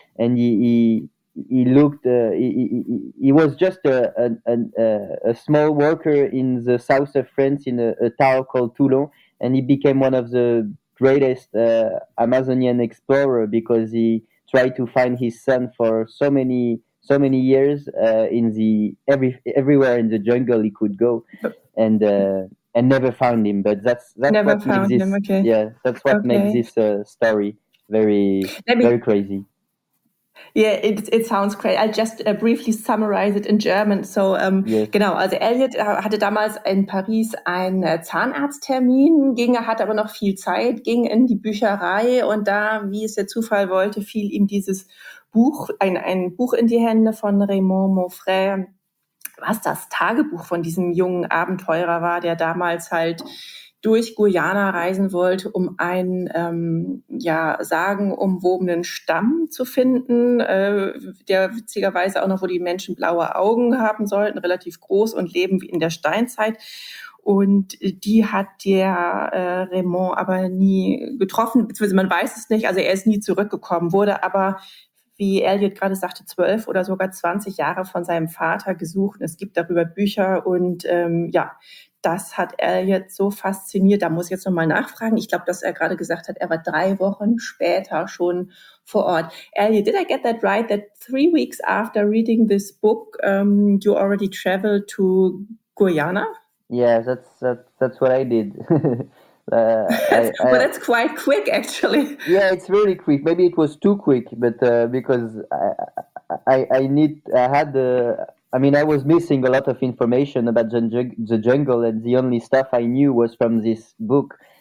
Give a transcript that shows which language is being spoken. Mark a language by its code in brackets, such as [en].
[en] And he was just a small worker in the south of France in a town called Toulon, and he became one of the greatest Amazonian explorer because he tried to find his son for so many years everywhere in the jungle he could go, and never found him. But that's never what found makes this, him. Okay. Yeah, that's what makes this story very crazy. Yeah, it sounds great. I'll just briefly summarize it in German. [de] So genau, also Elliot hatte damals in Paris einen Zahnarzttermin, hatte aber noch viel Zeit, ging in die Bücherei und da, wie es der Zufall wollte, fiel ihm dieses Buch, ein Buch in die Hände von Remo Mofre, was das Tagebuch von diesem jungen Abenteurer war, der damals halt durch Guyana reisen wollte, um einen sagenumwobenen Stamm zu finden, der witzigerweise auch noch, wo die Menschen blaue Augen haben sollten, relativ groß und leben wie in der Steinzeit. Und die hat der Raymond aber nie getroffen, beziehungsweise man weiß es nicht, also er ist nie zurückgekommen, wurde aber, wie Elliot gerade sagte, 12 oder sogar 20 Jahre von seinem Vater gesucht. Es gibt darüber Bücher und das hat er jetzt so fasziniert. Da muss ich jetzt nochmal nachfragen. Ich glaube, dass er gerade gesagt hat, er war 3 Wochen später schon vor Ort. [en] Elliot, did I get that right, that 3 weeks after reading this book, you already traveled to Guyana? Yeah, that's what I did. that's quite quick, actually. Yeah, it's really quick. Maybe it was too quick, but because I was missing a lot of information about the jungle, and the only stuff I knew was from this book.